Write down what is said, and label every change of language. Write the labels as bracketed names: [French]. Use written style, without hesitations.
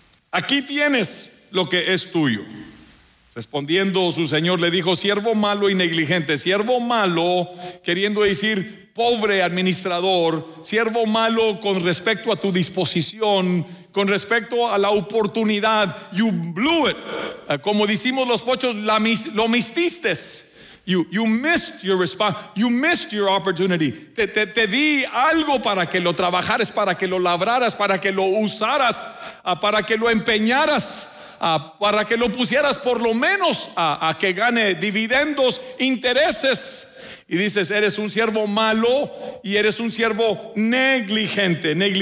[Spanish] Aquí tienes lo que es tuyo. Respondiendo su señor le dijo, siervo malo y negligente. Siervo malo, queriendo decir pobre administrador. Siervo malo con respecto a tu disposición, con respecto a la oportunidad. [English] You blew it. [Spanish] Como decimos los pochos, lo mististe. [English] You missed your response. You missed your opportunity. [Spanish] Te di algo para que lo trabajaras, para que lo labraras, para que lo usaras, para que lo empeñaras, para que lo pusieras por lo menos a que gane dividendos, intereses. Y dices, eres un siervo malo y eres un siervo negligente.